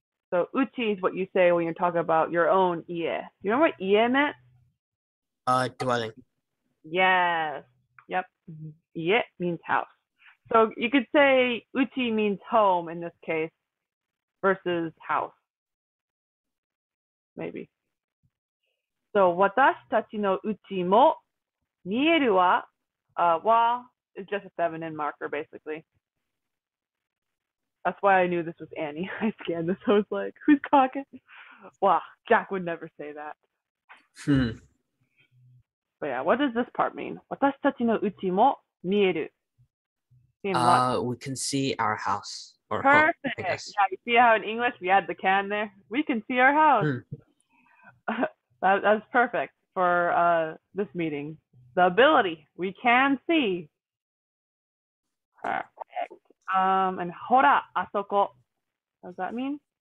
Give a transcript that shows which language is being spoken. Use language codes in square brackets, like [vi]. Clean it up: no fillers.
[en] So, uchi is what you say when you're talking about your own 家. You remember what 家 meant? Dwelling. Yes. Yep. 家 means house. So, you could say uchi means home in this case versus house. Maybe. [ja] So, 私たちのうちも見えるわ。 [en] わ is just a feminine marker, basically. That's why I knew this was Annie. I scanned this. I was like, who's talking? Wow, Jack would never say that. But yeah, what does this part mean? [ja] 私たちのうちも見える。 [en] We can see our house. Or perfect. Home, I guess. Yeah, you see how in English we add the can there? We can see our house. That's perfect for this meeting. The ability. We can see. Perfect. And [ja] hora asoko. [en] What does that mean?